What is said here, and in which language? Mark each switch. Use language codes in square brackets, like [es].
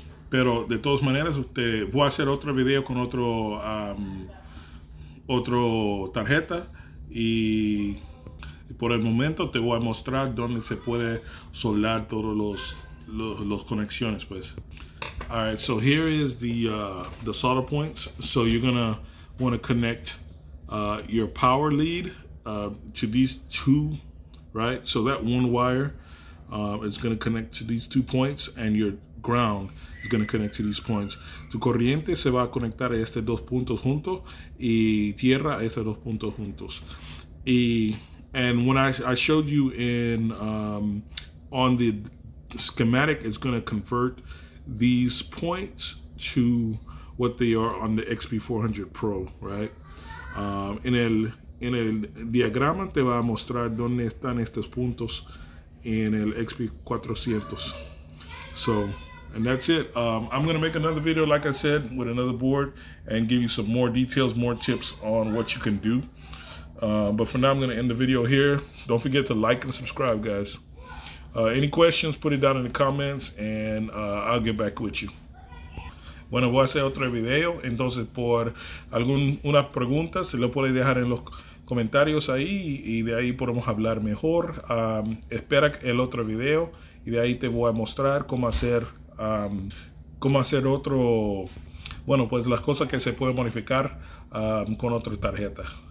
[es] Pero de todas maneras, usted voy a hacer otro video con otro otro tarjeta y por el momento te voy a mostrar dónde se puede soldar todos los conexiones, pues. [en] All right, so here is the solder points. So you're gonna want to connect your power lead to these two, right? So that one wire is going to connect to these two points, and your ground is going to connect to these points. [es] Tu corriente se va a conectar a estos dos puntos juntos y tierra a estos dos puntos juntos. [en] And when I showed you in on the schematic, it's going to convert these points to what they are on the XP400 Pro, right? [es] En el diagrama te va a mostrar dónde están estos puntos en el XP400. [en] So, and that's it. I'm gonna make another video, like I said, with another board, and give you some more details, more tips on what you can do. But for now, I'm gonna end the video here. Don't forget to like and subscribe, guys. Any questions, put it down in the comments, and I'll get back with you. [es] Bueno, voy a hacer otro video, entonces por alguna pregunta se lo puede dejar en los comentarios ahí y de ahí podemos hablar mejor. Espera el otro video y de ahí te voy a mostrar cómo hacer otro, bueno, pues las cosas que se pueden modificar con otra tarjeta.